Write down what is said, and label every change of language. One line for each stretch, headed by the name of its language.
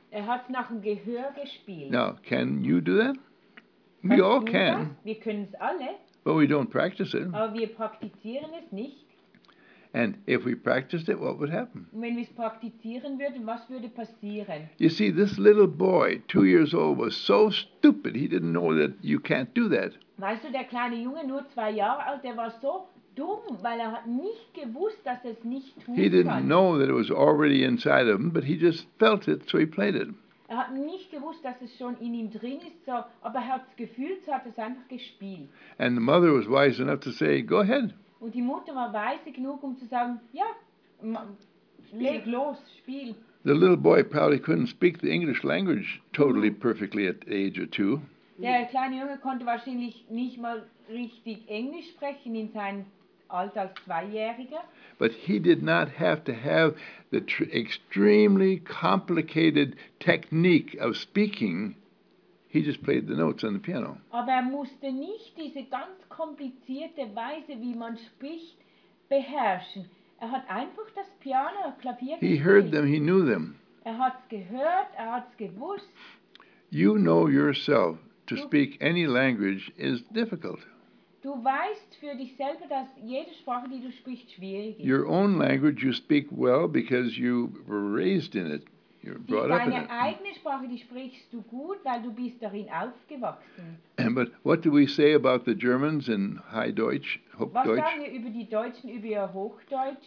German: Er hat's nach dem Gehör gespielt.
English: Now, can you do that?
German: Kannst
English: we all can.
German: Das? Wir können's alle.
English: But we don't practice it.
German: Aber wir praktizieren es nicht.
English: And if we practiced it, what would happen?
German: Wenn wir's praktizieren würden, was würde passieren?
English: You see, this little boy, 2 years old, was so stupid, he didn't know that you can't do that.
German: Weißt du, der kleine Junge, nur 2 Jahre alt, der war so dumm, weil er hat nicht gewusst, dass es nicht tun kann.
English: He didn't know that it was already inside of him, but he just felt it, so he played it.
German: Er hat nicht gewusst, dass es schon in ihm drin ist, so, aber er hat es gefühlt, so hat es einfach gespielt.
English: And the mother was wise enough to say, go ahead.
German: Und die Mutter war weise genug, um zu sagen, ja, leg los, spiel.
English: The little boy probably couldn't speak the English language totally perfectly at the age of 2.
German: Der kleine Junge konnte wahrscheinlich nicht mal richtig Englisch sprechen in seinem Alter als 2-Jähriger.
English: But he did not have to have the extremely complicated technique of speaking. He just played the notes on the piano.
German: Aber er musste nicht diese ganz komplizierte Weise, wie man spricht, beherrschen. Er hat einfach das Piano, Klavier gespielt.
English: He heard them, he knew them.
German: Er hat's gehört, er hat's gewusst.
English: You know yourself, to speak any language is difficult.
German: Du weißt für dich selber, dass jede Sprache, die du sprichst, schwierig ist.
English: Your own language you speak well because you were raised in it.
German: Deine eigene Sprache, die sprichst du gut, weil du bist darin aufgewachsen.
English: But what do we say about the Germans in High Deutsch,
German: Hochdeutsch? Was sagen wir über die Deutschen, über ihr Hochdeutsch?